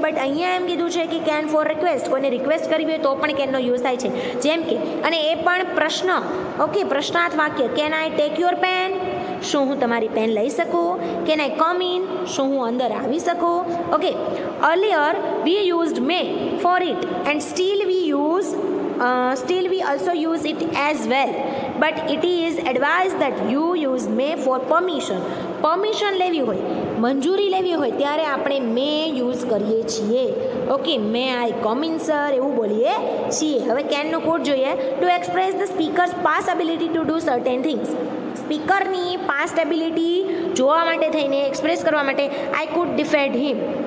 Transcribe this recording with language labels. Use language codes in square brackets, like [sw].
[gu] But અહીંયા એમ કીધું છે કે કેન ફોર રિક્વેસ્ટ, કોઈને રિક્વેસ્ટ કરવી હોય તો પણ કેનનો યુઝ થાય છે. જેમ કે, અને એ પણ પ્રશ્ન. ઓકે, પ્રશ્નાર્થ વાક્ય. [en] can I take your pen, [gu] શું હું તમારી પેન લઈ શકું. [en] can I come in, [gu] શું હું અંદર આવી શકું. [en] Okay, earlier we used may for it and still we use still we also use it as well, but it is advised that you use may for permission. [gu] Permission લેવી હોય, મંજૂરી લેવી હોય ત્યારે આપણે મે યુઝ કરીએ છીએ. Okay, [en] may I come in sir [gu] એવું બોલીએ છીએ. હવે કેનનો કોડ જોઈએ. [en] To express the speakers past ability to do certain things. [gu] સ્પીકરની past ability જોવા માટે થઈને એક્સપ્રેસ કરવા માટે [en] I could defend him.